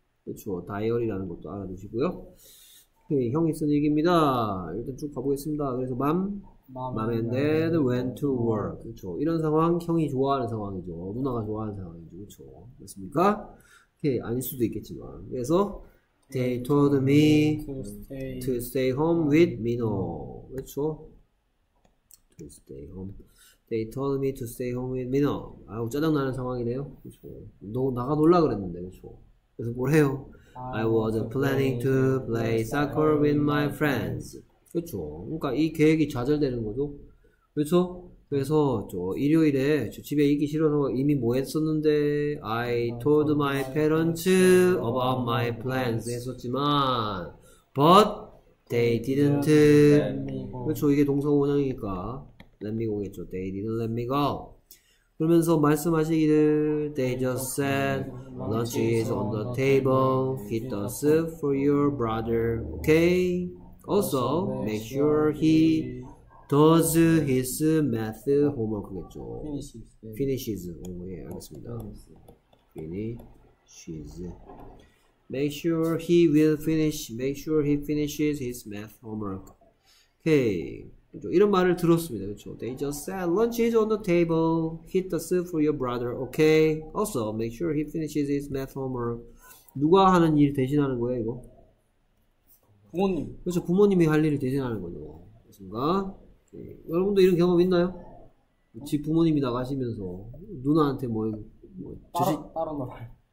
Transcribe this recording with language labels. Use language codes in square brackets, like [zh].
[ko] 그렇죠. 다이어리라는 것도 알아두시고요. 오케이, 형이 쓴 얘기입니다. [en] 일단 쭉 가보겠습니다. [ko] 그래서 맘 [en] and dad went to work. [ko] 그렇죠. 이런 상황, 형이 좋아하는 상황이죠. 누나가 좋아하는 상황이죠. 그렇죠. 맞습니까? 오케이, 아닐 수도 있겠지만. [en] 그래서 they told me to stay home with Mino. [ko] 그렇죠. [en] To stay home. They told me to stay home with Mino. [ko] 아우 짜증 나는 상황이네요. 그렇죠. 너 나가 놀라 그랬는데, 그렇죠. 그래서 뭐래요? [en] I was planning to play soccer with my friends. [ko] 그렇죠. 그러니까 이 계획이 좌절되는 거죠. 그렇죠? 그래서 저 일요일에 저 집에 있기 싫어서 이미 뭐 했었는데 [en] I told my parents about my plans 했었지만 but they didn't [ko] 그렇죠. 이게 동서 원형이니까 [en] let me go겠죠. They didn't let me go. [ko] 그러면서 말씀하시기를 [en] They just said lunch is on the table He does for your brother Okay? Also, make sure he does his math homework겠죠 Finishes [ko] 오, 예, 알겠습니다 [en] Finishes Make sure he will finish Make sure he finishes his math homework Okay [ko] 이런 말을 들었습니다. 그렇죠? [en] They just said lunch is on the table. Heat the soup for your brother. Okay. Also, make sure he finishes his math homework. [ko] 누가 하는 일 대신하는 거예요, 이거? 부모님. 그렇죠. 부모님이 할 일을 대신하는 거죠. 맞습니까? 네. 여러분도 이런 경험 있나요? 집 부모님이 나가시면서 누나한테 뭐 따로 나가요.